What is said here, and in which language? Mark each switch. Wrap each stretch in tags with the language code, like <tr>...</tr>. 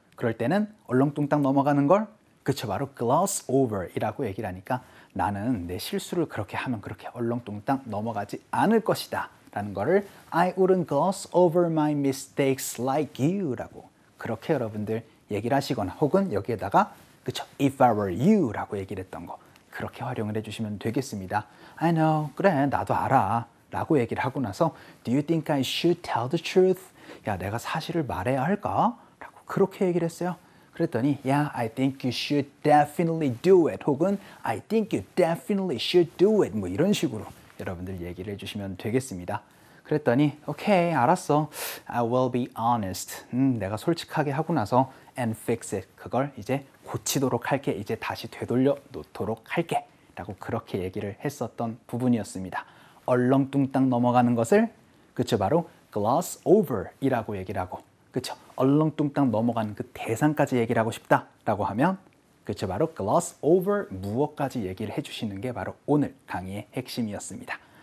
<ko>그럴 때는 얼렁뚱땅 넘어가는 걸 그쵸, 바로 gloss over 이라고 얘기를 하니까 나는 내 실수를 그렇게 하면 그렇게 얼렁뚱땅 넘어가지 않을 것이다 라는 거를</ko> <en>I wouldn't gloss over my mistakes like you</en> <ko>라고 그렇게 여러분들 얘기를 하시거나 혹은 여기에다가 그쵸</ko> <en>if I were you</en> <ko>라고 얘기를 했던 거 그렇게 활용을 해주시면 되겠습니다.</ko> <en>I know,</en> <ko>그래 나도 알아 라고 얘기를 하고 나서</ko> <en>Do you think I should tell the truth?</en> <ko>야, 내가 사실을 말해야 할까? 라고 그렇게 얘기를 했어요.</ko> <en>그랬더니 Yeah, I think you should definitely do it</en> <ko>혹은</ko> <en>I think you definitely should do it</en> <ko>뭐 이런 식으로 여러분들 얘기를 해주시면 되겠습니다. 그랬더니 오케이 알았어</ko> <en>I will be honest</en> <ko>내가 솔직하게 하고 나서</ko> <en>and fix it</en> <ko>그걸 이제 고치도록 할게 이제 다시 되돌려 놓도록 할게 라고 그렇게 얘기를 했었던 부분이었습니다. 얼렁뚱땅 넘어가는 것을 그쵸 바로 gloss over 이라고 얘기를 하고 그쵸 얼렁뚱땅 넘어가는 그 대상까지 얘기를 하고 싶다 라고 하면 그쵸 바로 gloss over 무엇까지 얘기를 해주시는 게 바로 오늘 강의의 핵심이었습니다.</ko>